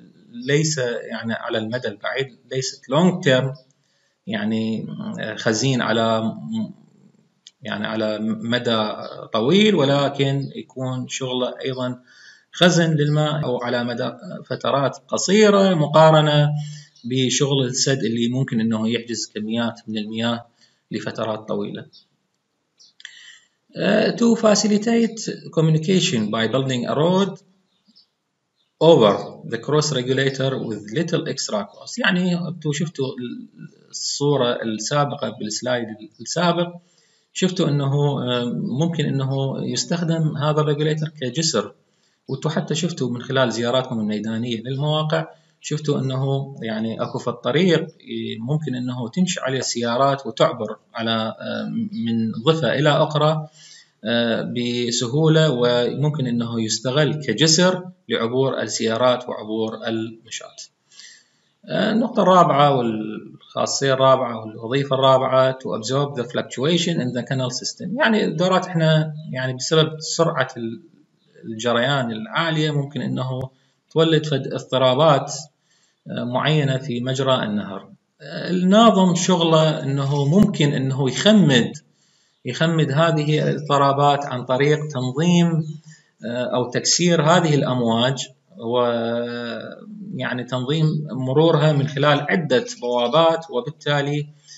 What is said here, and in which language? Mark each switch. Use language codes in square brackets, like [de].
[ar] ليس يعني على المدى البعيد، ليست لونج تيرم يعني خزين على يعني على مدى طويل، ولكن يكون شغله ايضا خزن للماء او على مدى فترات قصيره مقارنه بشغل السد اللي ممكن انه يحجز كميات من المياه لفترات طويله. [en] To facilitate communication by building a road over the cross regulator with little extra cost. [ar] يعني انتم شفتوا الصوره السابقه بالسلايد السابق، شفتوا انه ممكن انه يستخدم هذا الريجوليتر كجسر، وانتم حتى شفتوا من خلال زياراتكم الميدانيه للمواقع شفتوا انه يعني اكو في الطريق ممكن انه تمشي عليه السيارات وتعبر على من ضفه الى اخرى بسهوله، وممكن انه يستغل كجسر لعبور السيارات وعبور المشاة. النقطة الرابعة والخاصية الرابعة والوظيفة الرابعة [en] to absorb the fluctuation in the canal system. [ar] يعني الدورات احنا يعني بسبب سرعة الجريان العالية ممكن انه تولد اضطرابات معينة في مجرى النهر. الناظم شغله انه ممكن انه يخمد هذه الاضطرابات عن طريق تنظيم او تكسير هذه الامواج، ويعني تنظيم مرورها من خلال عدة بوابات، وبالتالي